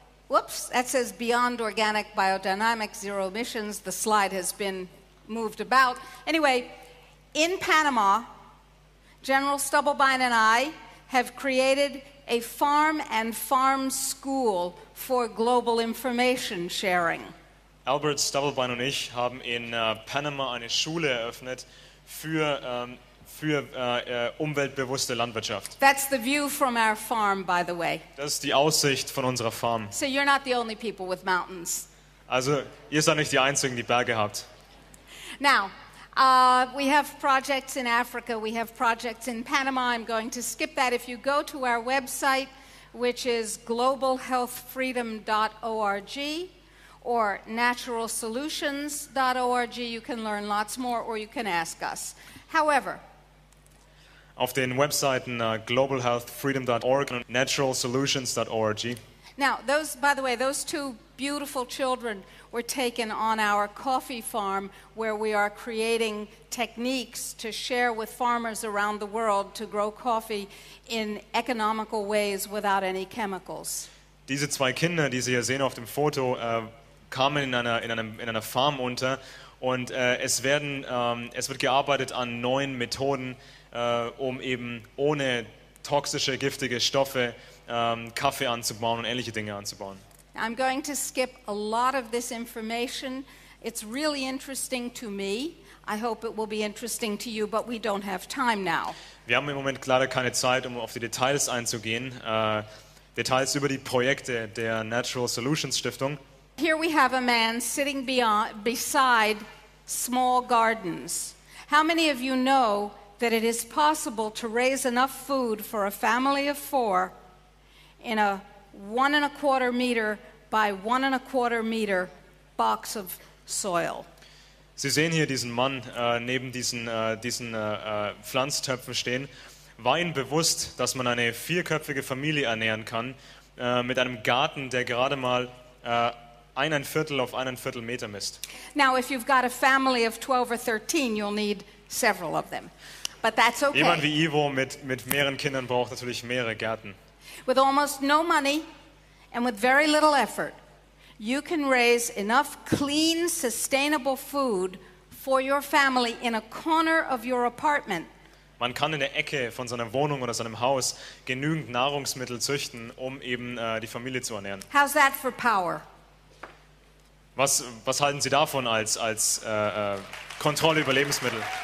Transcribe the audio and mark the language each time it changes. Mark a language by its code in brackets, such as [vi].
[en] Whoops, that says beyond organic biodynamics, zero emissions. The slide has been moved about. Anyway, in Panama, General Stubblebine and I have created a farm and farm school for global information sharing. [de] Albert Stubblebine und ich haben in Panama eine Schule eröffnet für umweltbewusste Landwirtschaft. [en] That's the view from our farm, by the way. [de] Das ist die Aussicht von unserer Farm. [en] So you're not the only people with mountains. [de] Also, ihr seid nicht die Einzigen, die Berge habt. [en] Now, we have projects in Africa, we have projects in Panama. I'm going to skip that. If you go to our website, which is globalhealthfreedom.org or naturalsolutions.org, you can learn lots more or you can ask us. However, [de] auf den Webseiten globalhealthfreedom.org und naturalsolutions.org. [en] Now, those two beautiful children were taken on our coffee farm, where we are creating techniques to share with farmers around the world to grow coffee in economical ways without any chemicals. [de] Diese zwei Kinder, die Sie hier sehen auf dem Foto, kamen in einer Farm unter, und es wird gearbeitet an neuen Methoden, um eben ohne toxische, giftige Stoffe Kaffee anzubauen und ähnliche Dinge anzubauen. [en] I'm going to skip a lot of this information. It's really interesting to me. I hope it will be interesting to you, but we don't have time now. [de] Wir haben im Moment leider keine Zeit, um auf die Details einzugehen. Details über die Projekte der Natural Solutions Stiftung. [en] Here we have a man sitting beside small gardens. How many of you know that it is possible to raise enough food for a family of four in a 1.25 meter by 1.25 meter box of soil? [de] Sie sehen hier diesen Mann neben diesen Pflanztöpfen stehen. War Ihnen bewusst, dass man eine vierköpfige Familie ernähren kann mit einem Garten, der gerade mal 1.25 auf 1.25 Meter misst? [en] Now, if you've got a family of 12 or 13, you'll need several of them. But that's okay. [de] Jemand wie Ivo mit mehreren Kindern braucht natürlich mehrere Gärten. [en] With almost no money and with very little effort, you can raise enough clean, sustainable food for your family in a corner of your apartment. [de] Man kann in der Ecke von seiner Wohnung oder seinem Haus genügend Nahrungsmittel züchten, um eben die Familie zu ernähren. [en] How's that for power? [de] Was halten Sie davon als Kontrolle über Lebensmittel?